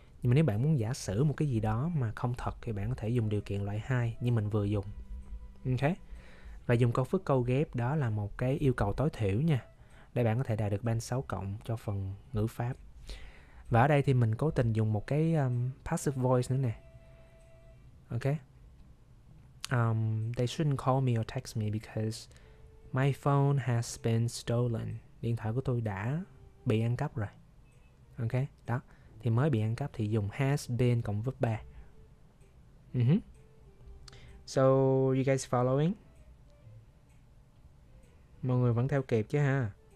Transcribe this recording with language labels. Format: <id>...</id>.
<vi>Nhưng mà nếu bạn muốn giả sử một cái gì đó mà không thật thì bạn có thể dùng điều kiện loại 2 như mình vừa dùng. Ok. Và dùng câu phức câu ghép đó là một cái yêu cầu tối thiểu nha, để bạn có thể đạt được band 6 cộng cho phần ngữ pháp. Và ở đây thì mình cố tình dùng một cái passive voice nữa nè. Ok.</vi> <en>They shouldn't call me or text me because my phone has been stolen.</en> <vi>Điện thoại của tôi đã bị ăn cắp rồi. Ok, đó. Thì mới bị ăn cắp thì dùng has been cộng verb 3.</vi> <en>So, you guys following?</en> <vi>Mọi người vẫn theo kịp chứ ha?</vi>